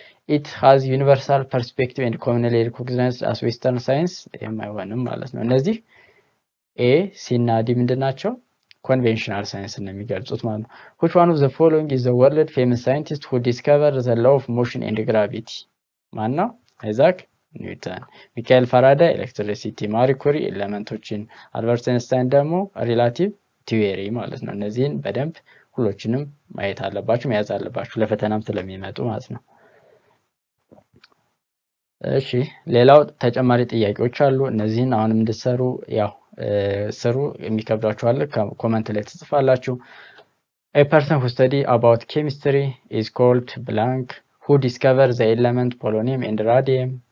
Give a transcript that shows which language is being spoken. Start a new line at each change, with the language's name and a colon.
English: It has universal perspective and commonly recognized as western science
Amharic: ማለት ማለት ነው እነዚህ
English: a
Amharic: ሲናዲ ምንድናቸው
English: conventional science
Amharic: ነው የሚገልጹት ማለት ነው.
English: Which one of the following is the world famous scientist who discovered the law of motion and gravity?
Amharic: ማን ነው? አይዛክ ኒውተን, ሚካኤል ፋራዳ ኤሌክትሪሲቲ, ማሪ ኩሪ ኤሌመንቶችን, አልበርት አንስታይን ደግሞ ሪላቲቭ ቲዮሪ ማለት ነው. እነዚህን በደንብ ሁሉችንም ማየት አለባችሁ, መያዝ አለባችሁ ለፈተናም ስለሚመጡ ማለት ነው. እሺ, ሌላው ተጨማሪ ጥያቄዎች አሉ. እነዚህን አሁንም እንድትሰሩ ያው ስሩ, የሚከብዳችሁ አለ ኮመንት ላይ ትጽፋላችሁ.
English: A person who study about chemistry is called blank. Who discovered the element polonium and radium?